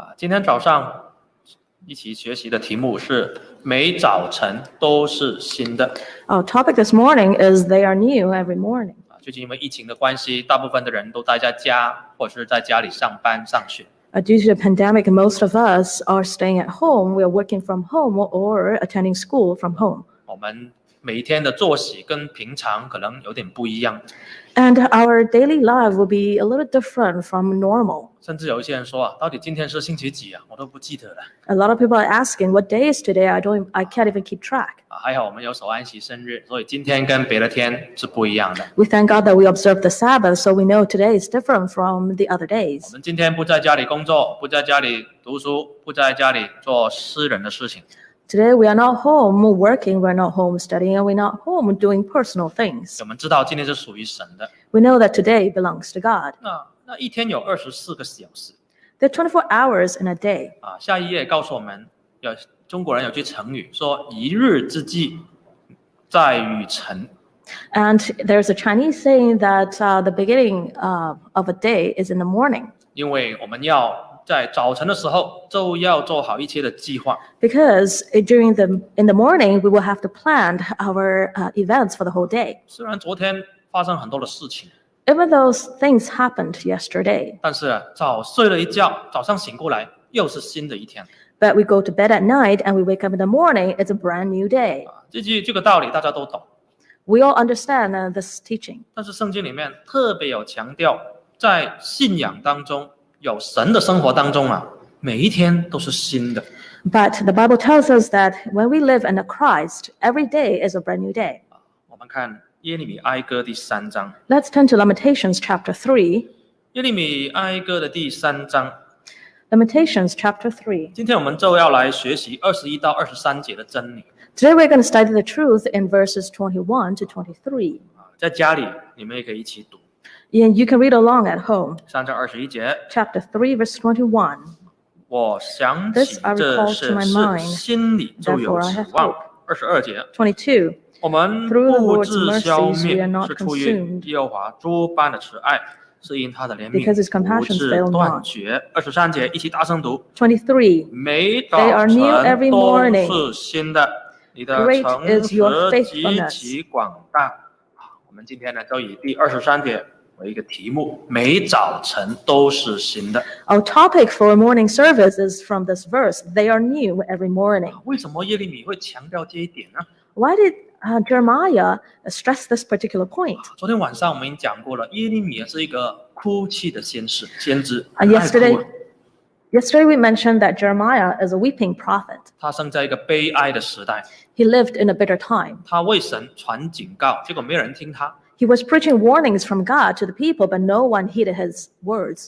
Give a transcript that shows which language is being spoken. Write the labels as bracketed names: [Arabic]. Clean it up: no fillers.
[Chinese] 今天早上一起学习的题目是每早晨都是新的。 [English] Our topic this morning is they are new every morning. [Chinese] 最近因为疫情的关系，大部分的人都待在家或者是在家里上班上学。 [English] Due to the pandemic, most of us are staying at home. We are working from home or attending school from home. [Chinese] 我们每一天的作息跟平常可能有点不一样。 [English] And our daily life will be a little different from normal. [Chinese] 甚至有一些人说啊，到底今天是星期几啊？我都不记得了。 [English] A lot of people are asking what day is today. I can't even keep track. [Chinese] 还好我们有守安息生日，所以今天跟别的天是不一样的。 [English] We thank God that we observe the Sabbath, so we know today is different from the other days. [Chinese] 我们今天不在家里工作，不在家里读书，不在家里做私人的事情。 [English] Today we are not home working, we're not home studying, and we're not home doing personal things. [Chinese] 我们知道今天是属于神的。 [English] We know that today belongs to God. [Chinese] 那一天有24个小时。 [English] There are 24 hours in a day. [Chinese] 下一页告诉我们，有中国人有句成语说一日之计在于晨。 [English] And there's a Chinese saying that the beginning of a day is in the morning. [Chinese] 因为我们要在早晨的时候就要做好一切的计划。 [English] Because during the in the morning we will have to plan our events for the whole day. [Chinese] 虽然昨天发生很多的事情。 [English] Even those things happened yesterday. [Chinese] 但是早睡了一觉，早上醒过来又是新的一天。 [English] But we go to bed at night and we wake up in the morning. It's a brand new day. [Chinese] 这个道理大家都懂。 [English] We all understand this teaching. [Chinese] 但是圣经里面特别有强调，在信仰当中。有神的生活当中啊，每一天都是新的。 [English] But the Bible tells us that when we live in Christ, every day is a brand new day. [Chinese] 我们看耶利米哀歌第三章。 [English] Let's turn to Lamentations chapter 3. [Chinese] 耶利米哀歌的第三章。 [English] Lamentations chapter 3. [Chinese] 今天我们就要来学习21到23节的真理。 [English] Today we're going to study the truth in verses 21 to 23. [Chinese] 在家里你们也可以一起读。 [English] And you can read along at home. [Chinese] 三章二十一节。 [English] Chapter 3, verse 21. [Chinese] 我想起这事，心里就有指望。二十二节。 [English] 22. [Chinese] 我们不致消灭，是出于耶和华诸般的慈爱，是因他的怜悯，不致断绝。二十三节，一起大声读。 [English] 23. [Chinese] 每早晨都是新的，你的诚实极其广大。我们今天呢，就以第二十三节。一个题目，每早晨都是新的。 [English] Our topic for morning service is from this verse. They are new every morning. [Chinese] 为什么耶利米会强调这一点呢？ [English] Why did Jeremiah stress this particular point? [Chinese] 昨天晚上我们已经讲过了，耶利米是一个哭泣的先知。 [English] Yesterday we mentioned that Jeremiah is a weeping prophet. [Chinese] 他生在一个悲哀的时代。 [English] He lived in a bitter time. [Chinese] 他为神传警告，结果没有人听他。 [English] He was preaching warnings from God to the people, but no one heeded his words.